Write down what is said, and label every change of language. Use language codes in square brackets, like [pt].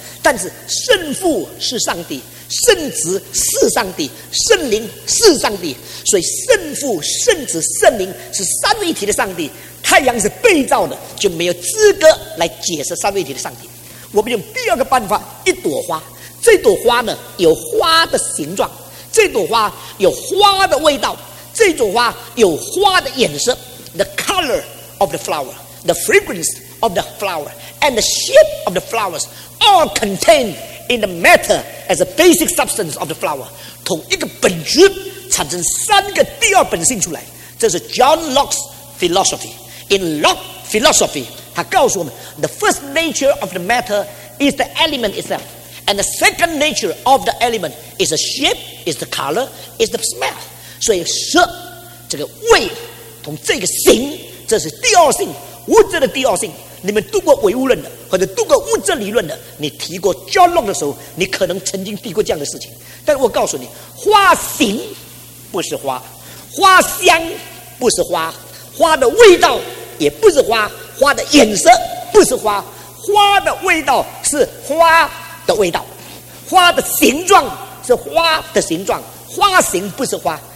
[zh] 但是圣父是上帝，圣子是上帝，圣灵是上帝，所以圣父、圣子、圣灵是三位一体的上帝。太阳是被造的，就没有资格来解释三位一体的上帝。我们用第二个办法，一朵花。这朵花呢，有花的形状，这朵花有花的味道，这朵花有花的颜色。 [en] The color of the flower, the fragrance of the flower, and the shape of the flowers all contained in the matter as a basic substance of the flower. [zh] 同一个本质产生三个第二本性出来，这是 [en] John Locke's philosophy. In Locke philosophy, [zh] 他告诉我们 [en] the first nature of the matter is the element itself, and the second nature of the element is the shape, is the color, is the smell. [zh] 所以色这个味同这个形，这是第二性，物质的第二性，你们读过唯物论的，或者读过物质理论的，你提过 John Locke 的时候，你可能曾经提过这样的事情。但我告诉你，花形不是花，花香不是花，花的味道也不是花，花的颜色不是花，花的味道是花的味道，花的形状是花的形状，花形不是花。